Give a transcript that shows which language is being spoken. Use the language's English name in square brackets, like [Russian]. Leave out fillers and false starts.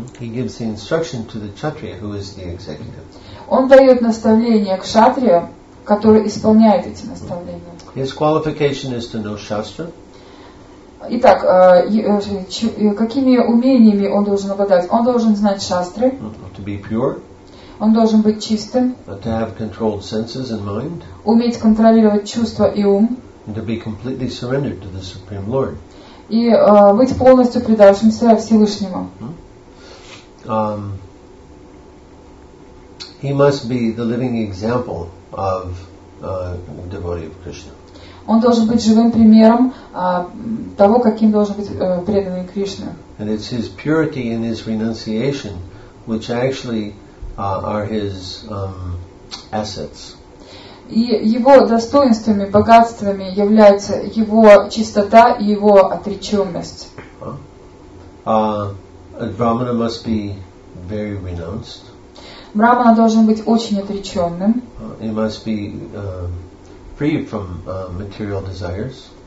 [English] He gives the instruction to the kshatriya, who is the executive. [Russian] Он дает наставление кшатрия, который исполняет эти наставления. [English] His qualification is to know shastra. [Russian] Итак, какими умениями он должен обладать? Он должен знать шастры. [English] To be pure. [Russian] Он должен быть чистым. [English] To have controlled senses and mind. [Russian] Уметь контролировать чувства и ум. [English] And to be completely surrendered to the Supreme Lord. [Russian] И быть полностью предавшимся Всевышнему. [English] He must be the living example of devotee of Krishna. [Russian] Он должен быть живым примером того, каким должен быть преданный Кришна. [English] And it's his purity and his renunciation which actually are his assets. [Russian] И его достоинствами, богатствами являются его чистота и его отреченность. [English] Brahmana must be very renounced. [Russian] Брахмана должен быть очень отреченным. [English] He must be free from material desires.